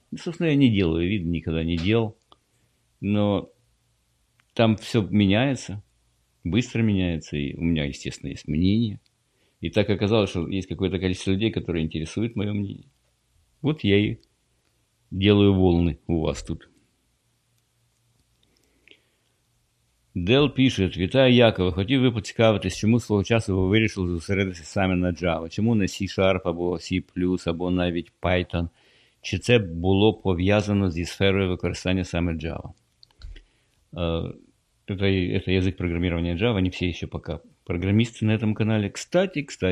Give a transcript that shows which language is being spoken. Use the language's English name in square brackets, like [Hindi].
[Russian] Ну, собственно, я не делаю вид, никогда не делал. Но там все меняется, быстро меняется. И у меня, естественно, есть мнение. И так оказалось, что есть какое-то количество людей, которые интересуют мое мнение. Вот я и делаю волны у вас тут. Дел пишет. [Ukrainian] «Вітаю, Якова. Хотів би поцікавитись, чому свого часу ви вирішили зосередитися саме на Java? Чому не C-Sharp або C++, або навіть Python? Чи це було пов'язано зі сферою використання саме Java?» [Russian] Это язык программирования Java. Они все еще пока программисты на этом канале. Кстати.